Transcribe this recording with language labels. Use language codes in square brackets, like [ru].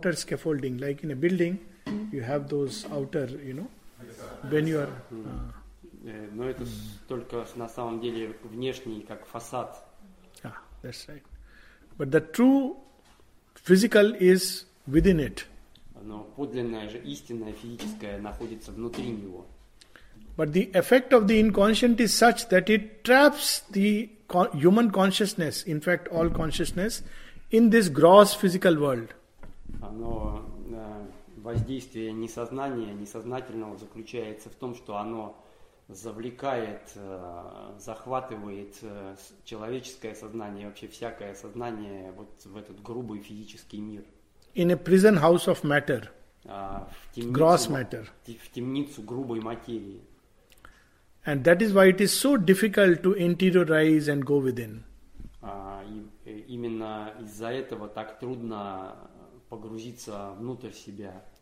[en] Outer scaffolding, like in a building, you have those outer, you know, when you are... [ru] Но это только на самом деле внешний, как фасад. [en] Ah, that's right. But the true physical is within it. [ru] Но подлинное же истинное физическое находится внутри него. [en] But the effect of the inconscient is such that it traps the human consciousness, in fact all consciousness, in this gross physical world. [ru] Оно воздействие несознания, несознательного заключается в том, что оно завлекает, захватывает человеческое сознание, вообще всякое сознание вот в этот грубый физический мир. [en] In a prison house of matter. [ru] В темницу, [en] gross matter. [ru] В темницу грубой материи. [en] And that is why it is so difficult to interiorize and go within. [ru] Именно из-за этого так трудно погрузиться внутрь себя.